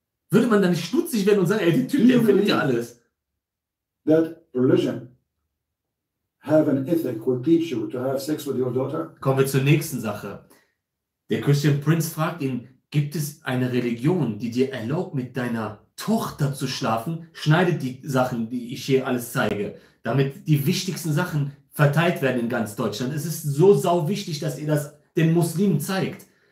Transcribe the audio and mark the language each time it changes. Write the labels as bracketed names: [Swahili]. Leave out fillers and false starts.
[German] Würde man dann nicht stutzig werden und sagen, ey, der Typ, der findet ja alles. [English] That religion have an ethic will teach you to have sex with your daughter? [German] Kommen wir zur nächsten Sache. Der Christian Prince fragt ihn, gibt es eine Religion, die dir erlaubt, mit deiner Tochter zu schlafen? Schneidet die Sachen, die ich hier alles zeige, damit die wichtigsten Sachen verteilt werden in ganz Deutschland. Es ist so sau wichtig, dass ihr das den Muslimen zeigt.